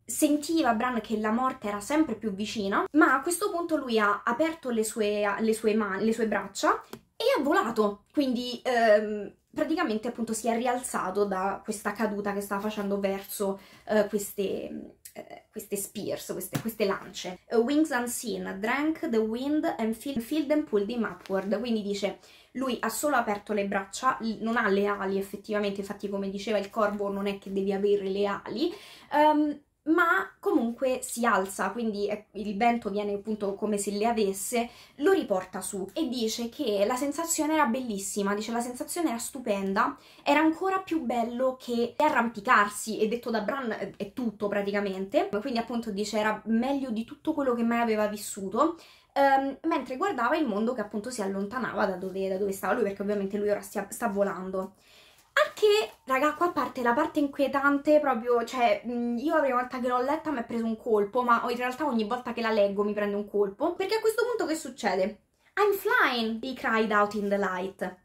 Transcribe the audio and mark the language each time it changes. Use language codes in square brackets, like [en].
[it] Sentiva Bran che la morte era sempre più vicina, ma a questo punto lui ha aperto le sue braccia e ha volato. Quindi praticamente appunto si è rialzato da questa caduta che stava facendo verso queste spears, queste lance. [en] Wings unseen, drank the wind and filled and pulled him upward. [it] Quindi dice, lui ha solo aperto le braccia, non ha le ali effettivamente, infatti come diceva il corvo non è che devi avere le ali, ma comunque si alza, quindi il vento viene appunto come se le avesse, lo riporta su e dice che la sensazione era bellissima, dice la sensazione era stupenda, era ancora più bello che arrampicarsi, e detto da Bran è tutto praticamente, quindi appunto dice era meglio di tutto quello che mai aveva vissuto, mentre guardava il mondo che appunto si allontanava da dove stava lui, perché ovviamente lui ora sta volando. Che, raga, qua parte la parte inquietante proprio, cioè, io la prima volta che l'ho letta mi è preso un colpo, ma in realtà ogni volta che la leggo mi prende un colpo. Perché a questo punto che succede? [en] I'm flying, he cried out in the light.